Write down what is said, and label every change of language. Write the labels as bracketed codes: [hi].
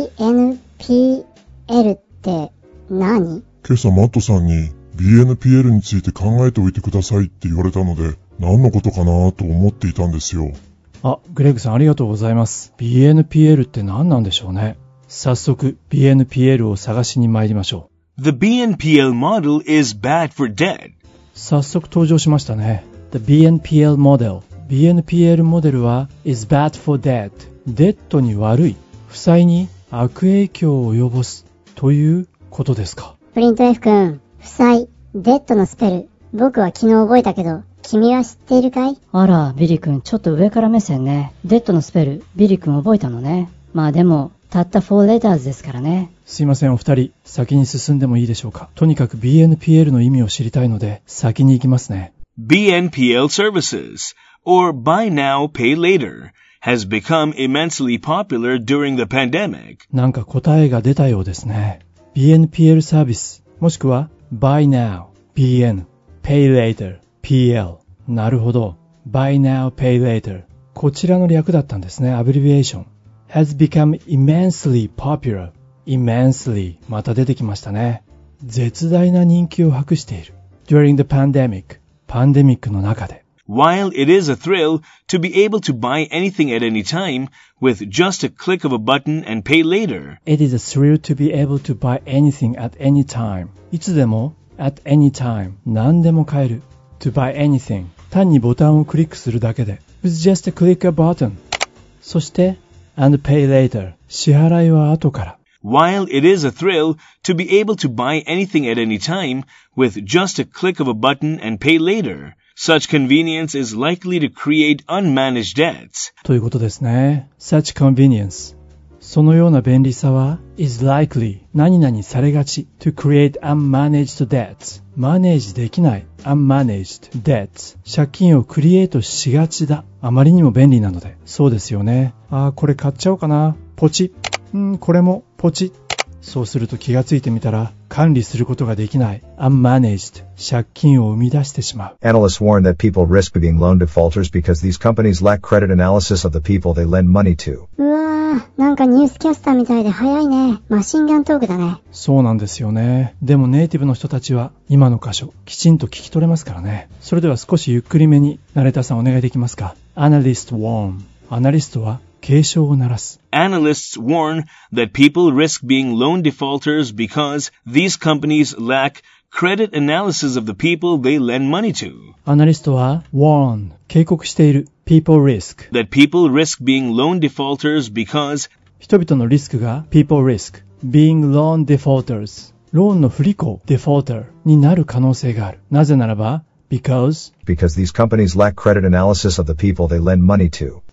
[ja] BNPL って何？今朝マットさんに BNPL について考えておいてくださいって言われたので、何のことかなと思っていたんですよ。あ、グレグさんありがとうございます。BNPL って何なんでしょうね。早速 BNPL を探しに参りましょう。 [en] The BNPL model is bad for debt. [ja] 早速登場しましたね。 [en] The BNPL model. BNPL [ja] モデルは [en] is bad for debt. [ja] デットに悪い、負債に悪影響を及ぼす、ということですか。プリント F 君、負債、デットのスペル、僕は昨日覚えたけど、君は知っているかい？あら、ビリ君、ちょっと上から目線ね。デットのスペル、ビリ君覚えたのね。まあでも、たった4レターズですからね。すいません、お二人、先に進んでもいいでしょうか。とにかく BNPL の意味を知りたいので、先に行きますね。 [en] BNPL services, or buy now, pay later, has become immensely popular during the pandemic. [ja] なんか答えが出たようですね。 [en] BNPL [ja] サービス、もしくは [en] buy now, BN, pay later, PL。 [ja] なるほど。 [en] buy now, pay later。 [ja] こちらの略だったんですね、アブリビエーション。 [en] has become immensely popular. [ja] immensely また出てきましたね。絶大な人気を博している。 [en] During the pandemic, [ja] パンデミックの中で。 [en] While it is a thrill to be able to buy anything at any time with just a click of a button and pay later. It is a thrill to be able to buy anything at any time. [ja] いつでも、 [en] at any time, [ja] 何でも買える。 [en] To buy anything, [ja] 単にボタンをクリックするだけで。 [en] With just a click of a button. [ja] そして、 [en] and pay later, [ja] 支払いは後から。 [en] While it is a thrill to be able to buy anything at any time with just a click of a button and pay later. Such convenience is likely to create unmanaged debts. [ja] ということですね。 [en] Such convenience. [ja] そのような便利さは [en] is likely [ja] 何々されがち [en] to create unmanaged debts. [ja] マネージできない [en] unmanaged debts. [ja] 借金をクリエイトしがちだ。あまりにも便利なので。そうですよね。ああ、これ買っちゃおうかな。ポチ。んー、これもポチ。そうすると気がついてみたら管理することができない unmanaged 借金を生み出してしまう [en] Analysts warn that people risk being loan defaulters because these companies lack credit analysis of the people they lend money to [ja] うわーなんかニュースキャスターみたいで早いねマシンガントークだねそうなんですよねでもネイティブの人たちは今の箇所きちんと聞き取れますからねそれでは少しゆっくりめに成田さんお願いできますか [en] Analysts warn [ja] アナリストは警鐘を鳴らす。 [en] Analysts warn that people risk being loan defaulters because these companies lack credit analysis of the people they lend money to. [ja] アナリストは warn 警告している [en] people risk that people risk being loan defaulters because [ja] 人々のリスクが [en] people risk being loan defaulters [ja] ローンの不履行 defaulter になる可能性がある。なぜならば [en] because these companies lack credit analysis of the people they lend money to.